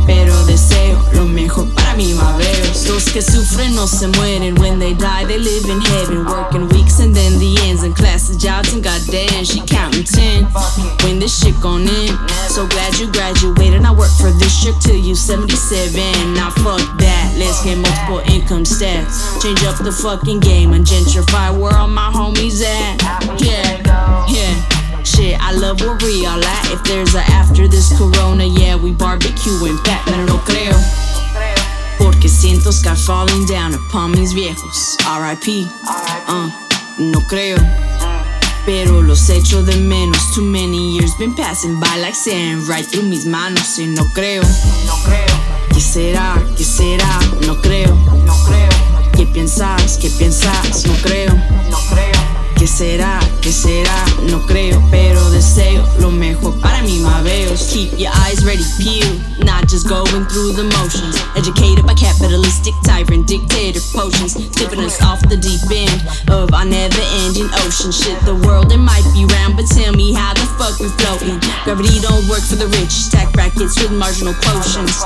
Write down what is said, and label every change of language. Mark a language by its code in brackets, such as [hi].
[es] Pero deseo lo mejor para mi mabeos. Los que sufren no se mueren. [en] When they die, they live in heaven. Working weeks and then the ends. And classes, jobs, and goddamn, she counting 10. When this shit gon' end. So glad you graduated. I work for this shit till you 77. Nah, fuck that. Let's get multiple income stats. Change up the fucking game. And gentrify where all my homies at. Yeah, yeah. Shit, I love where we all at. If there's a after this corona, yeah, we barbecuing fat. [es] Pero no creo. Porque siento [en] sky falling down upon [es] mis viejos. R.I.P. No creo. Pero los echo de menos. [en] Too many years been passing by like sand right through [es] mis manos. Y no creo. No creo. ¿Qué será? ¿Qué será? No creo. No creo. ¿Qué piensas? ¿Qué piensas? No creo. No creo. ¿Qué será? ¿Qué será? No creo. Pero deseo lo mejor para mi mabeos. [en] Keep your eyes ready, peeled. Not just going through the motions. Educated by capitalistic tyrant dictator potions. Tipping us off the deep end of our never ending ocean. Shit, the world it might be round, but tell me how the fuck we floating. Gravity don't work for the rich. Stack brackets with marginal quotients.